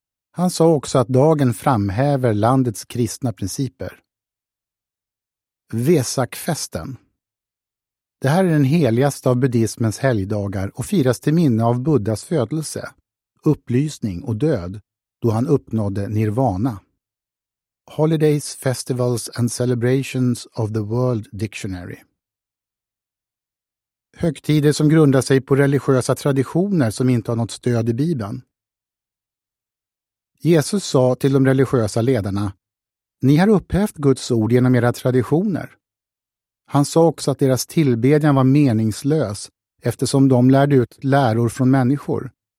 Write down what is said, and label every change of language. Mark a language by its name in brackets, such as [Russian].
[Swedish] Han sa också att dagen framhäver landets kristna principer. Vesakfesten. Det här är den heligaste av buddhismens helgdagar och firas till minne av Buddhas födelse, upplysning och död då han uppnådde nirvana. [English] Holidays, Festivals and Celebrations of the World Dictionary. [Swedish] Högtider som grundar sig på religiösa traditioner som inte har något stöd i Bibeln. Jesus sa till de religiösa ledarna: ni har upphävt Guds ord genom era traditioner. Han sa också att deras tillbedjan var meningslös eftersom de lärde ut läror från människor.